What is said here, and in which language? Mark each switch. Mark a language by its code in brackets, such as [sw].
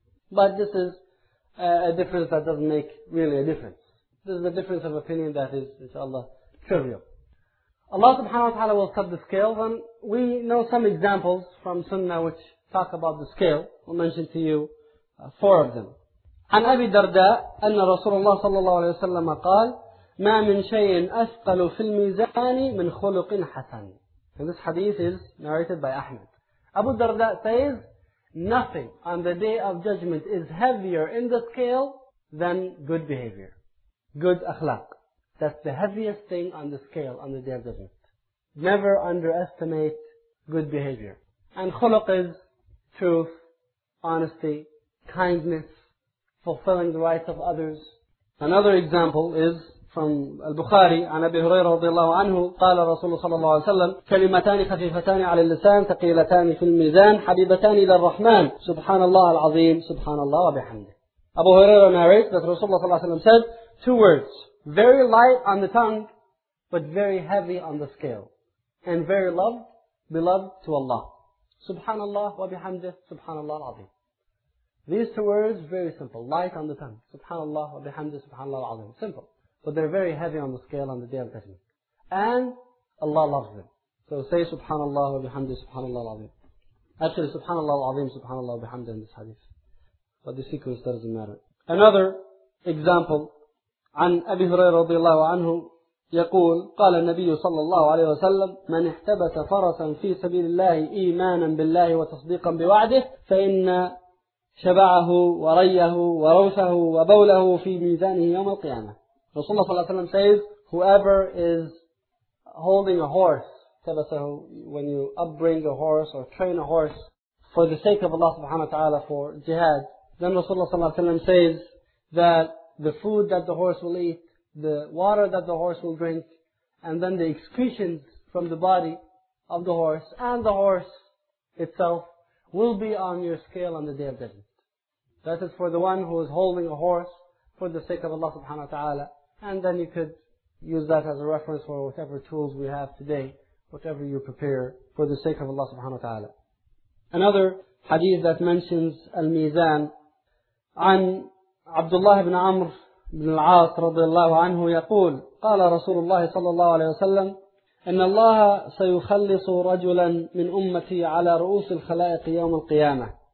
[en] But this is a difference that doesn't make really a difference. This is a difference of opinion that is, inshallah, trivial. Allah subhanahu wa ta'ala will set the scales, and we know some examples from Sunnah which talk about the scale. We'll mention to you four of them. [ar] عن أبي درداء أن رسول الله صلى الله عليه وسلم قال ما من شيء أثقل في الميزان من خلق حسن. [en] And this hadith is narrated by Ahmed. Abu Darda says, nothing on the day of judgment is heavier in the scale than good behavior. Good akhlaq. That's the heaviest thing on the scale on the day of judgment. Never underestimate good behavior. And khuluq is truth, honesty, kindness, fulfilling the rights of others. Another example is from [ar] البخاري عن أبي هريرة رضي الله عنه قال رسول الله صلى الله عليه وسلم كلمتان خفيفتان على اللسان ثقيلتان في الميزان حبيبتان إلى الرحمن سبحان الله العظيم سبحان الله وبحمده. [en] أبو هريرة narrates that Rasulullah صلى الله عليه وسلم said two words, very light on the tongue but very heavy on the scale, and very loved, beloved to Allah, [ar] سبحان الله وبحمده سبحان الله العظيم. [en] These two words, very simple, light on the tongue, [ar] سبحان الله وبحمده سبحان الله العظيم, [en] simple. But they're very heavy on the scale on the day of judgment. And Allah loves them. So say [ar] subhanallah wa bihamdi subhanallah wa azim. [en] Actually [ar] subhanallah wa azim subhanallah wa bihamdi [en] in this hadith. But the sequence doesn't matter. Another example. [ar] عن أبي هريرة رضي الله عنه يقول قال النبي صلى الله عليه وسلم من احتبس فرسا في سبيل الله إيمانا بالله وتصديقا بوعده فإن شبعه وريه وروثه وبوله في ميزانه يوم القيامة. [en] Rasulullah sallallahu alayhi wa sallam says, whoever is holding a horse, tabasahu, when you upbring a horse or train a horse for the sake of Allah subhanahu wa ta'ala for jihad, then Rasulullah sallallahu alayhi wa sallam says that the food that the horse will eat, the water that the horse will drink, and then the excretions from the body of the horse and the horse itself will be on your scale on the day of judgment. That is for the one who is holding a horse for the sake of Allah subhanahu wa ta'ala. And then you could use that as a reference for whatever tools we have today, whatever you prepare for the sake of Allah subhanahu wa ta'ala. Another hadith that mentions al-mizan, [ar] عن عبد الله بن عمر بن العاص رضي الله عنه يقول قال رسول الله صلى الله عليه وسلم إن الله سيخلص رجلا من أمتي على رؤوس الخلائق يوم القيامة